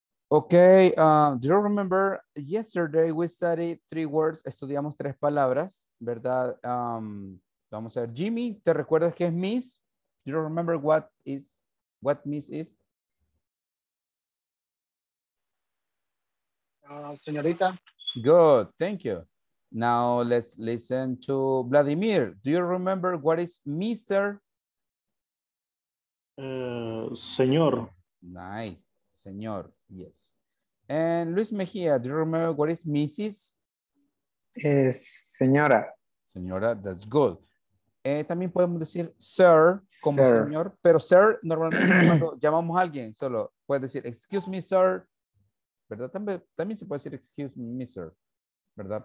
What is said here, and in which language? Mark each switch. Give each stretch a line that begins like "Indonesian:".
English: Okay, do you remember yesterday we studied three words?
Spanish: Estudiamos tres palabras, ¿verdad? Vamos a ver, Jimmy, ¿te recuerdas qué es Miss?
English: Do you remember what Miss is?
Spanish: Señorita.
English: Good, thank you. Now let's listen to Vladimir. Do you remember what is Mr.?
Spanish: Señor.
English: Nice, señor, yes. And Luis Mejia, do you remember what is Mrs.?
Spanish: Señora.
English: Señora, that's good.
Spanish: También podemos decir sir como sir, señor, pero sir normalmente cuando llamamos a alguien solo puedes decir
English: excuse me sir,
Spanish: ¿verdad? También se puede decir
English: excuse me sir,
Spanish: ¿verdad?